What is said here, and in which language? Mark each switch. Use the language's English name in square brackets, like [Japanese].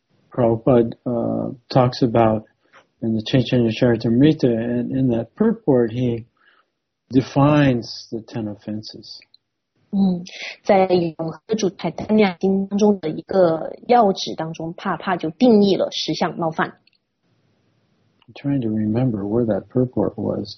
[English] Prabhupada talks about in the Chaitanya Charitamrita, and in that purport, he defines the ten offenses. [Chinese] 在永和主台单量经当中的一个要旨当中，帕帕就定义了十项冒犯。 [English] I'm trying to remember where that purport was.